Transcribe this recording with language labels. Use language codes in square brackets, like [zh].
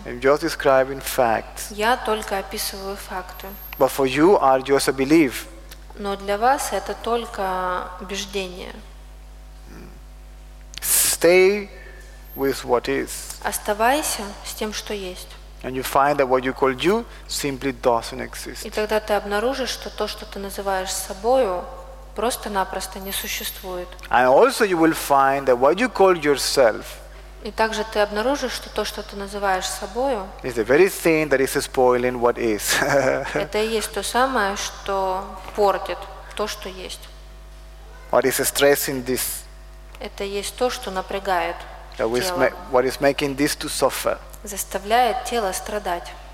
[en] I'm just describing facts. [ru] Я только описываю факты. [en] But for you are just a belief. [ru] Но для вас это только убеждение. [en] Stay with what is. [ru] Оставайся с тем, что есть. [en] And you find that what you call you simply doesn't exist. [ru] И тогда ты обнаружишь, что то, что ты называешь собою, просто-напросто не существует. [en] And also you will find that what you call yourself. [ru] И также ты обнаружишь, что то, что ты называешь собою, [en] is the very thing that is spoiling what is. [ru] Это и есть то самое, что портит то, что есть. [en] What is stressing this? [ru] Это и есть то, что напрягает тело. [en] What is making this to suffer? [ru] Заставляет тело страдать.